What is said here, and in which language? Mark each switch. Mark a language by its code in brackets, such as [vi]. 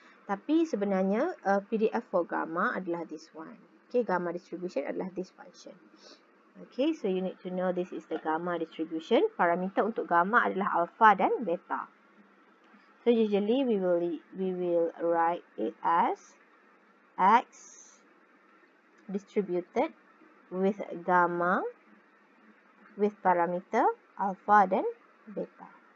[id] Tapi sebenarnya PDF [en] for gamma [id] adalah [en] this one. Okay, gamma distribution [id] adalah [en] this function. Okay, so you need to know this is the gamma distribution. [id] Parameter untuk gamma adalah alpha dan beta. [en] So usually we will write it as x distributed with gamma with parameter alpha dan beta.